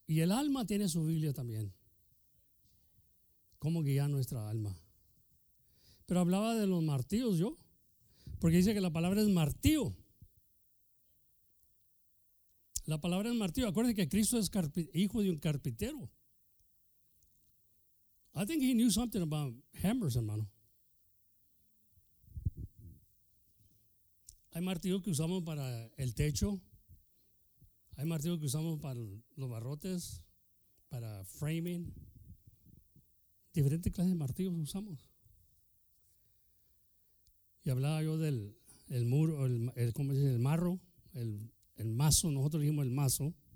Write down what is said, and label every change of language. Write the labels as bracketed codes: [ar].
[es] Y el alma tiene su Biblia también. Cómo guiar nuestra alma. Pero hablaba de los martillos yo, porque dice que la palabra es martillo. La palabra es martillo. Acuérdense que Cristo es hijo de un carpintero. [en] I think he knew something about hammers, hermano. [es] Hay martillos que usamos para el techo. Hay martillos que usamos para los barrotes, para framing. Diferentes clases de martillos usamos. Y hablaba yo del el muro, el ¿cómo se dice? El marro, el mazo, nosotros dijimos el mazo.